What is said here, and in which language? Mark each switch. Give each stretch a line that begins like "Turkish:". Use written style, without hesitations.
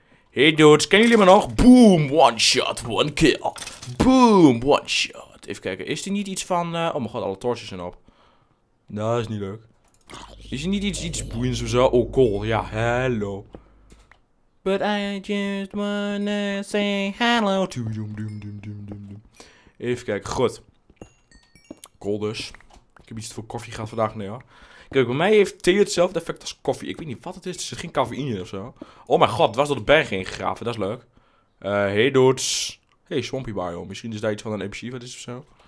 Dutch: Hey dudes, kennen jullie me nog?
English: Boom, one shot, one kill. Boom, one shot.
Dutch: Even kijken, is die niet iets van... oh mijn god, alle torches zijn op. Dat is niet leuk. Is er niet iets boeiends of zo? Oh, cool. Ja, hello.
English: But I just wanna say hello to you.
Dutch: Even kijken, goed. Cool dus. Ik heb iets te veel koffie gehad vandaag, nee hoor. Kijk, bij mij heeft thee hetzelfde effect als koffie. Ik weet niet wat het is. Er zit geen cafeïne of zo. Oh mijn god, het was door de berg heen gegraven. Dat is leuk.
English: Hey dudes.
Dutch: Hey, Swampy Bio. Misschien is daar iets van een NPC, wat is of zo.